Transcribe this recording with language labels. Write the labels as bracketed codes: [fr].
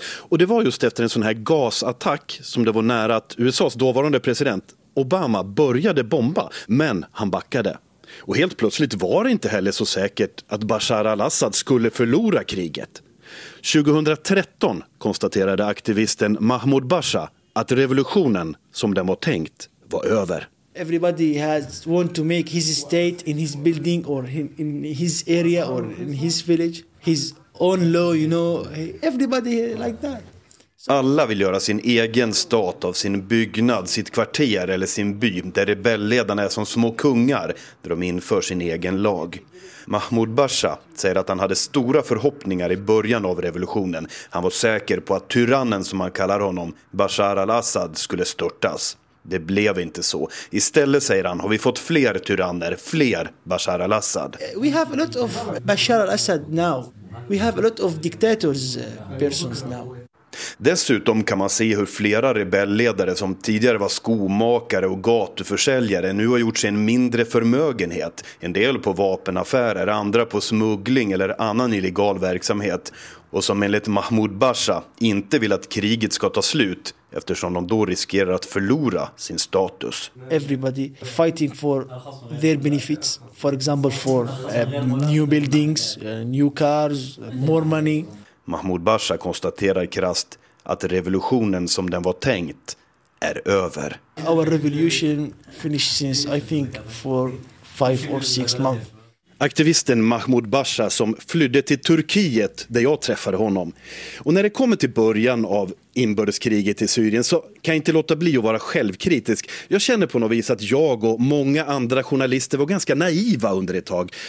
[sv] Och det var just efter en sån här gasattack som det var nära att USAs dåvarande president Obama började bomba, men han backade. Och helt plötsligt var det inte heller så säkert att Bashar al-Assad skulle förlora kriget. 2013 konstaterade aktivisten Mahmoud Basha att revolutionen, som den var tänkt, var över. [en] Everybody has want to make his state in his building or in his area or in his village, his own law, you know, everybody like that. [sv] Alla vill göra sin egen stat av sin byggnad, sitt kvarter eller sin by där rebellledarna är som små kungar där de inför sin egen lag. Mahmoud Basha säger att han hade stora förhoppningar i början av revolutionen. Han var säker på att tyrannen, som han kallar honom, Bashar al-Assad, skulle störtas. Det blev inte så. Istället, säger han, har vi fått fler tyranner, fler Bashar al-Assad. [en] We have a lot of Bashar al-Assad now. We have a lot of dictators persons now. [sv] Dessutom kan man se hur flera rebellledare som tidigare var skomakare och gatuförsäljare nu har gjort sig en mindre förmögenhet. En del på vapenaffärer, andra på smuggling eller annan illegal verksamhet. Och som enligt Mahmoud Basha inte vill att kriget ska ta slut eftersom de då riskerar att förlora sin status. [en] Everybody fighting for their benefits, for example for new buildings, new cars, more money. [sv] Mahmoud Basha konstaterar krasst att revolutionen som den var tänkt är över. [en] Our revolution finished since, I think, for 5 or 6 months. [sv] Aktivisten Mahmoud Basha som flydde till Turkiet där jag träffade honom. Och när det kommer till början av inbördeskriget i Syrien så kan jag inte låta bli att vara självkritisk. Jag känner på något vis att jag och många andra journalister var ganska naiva under ett tag.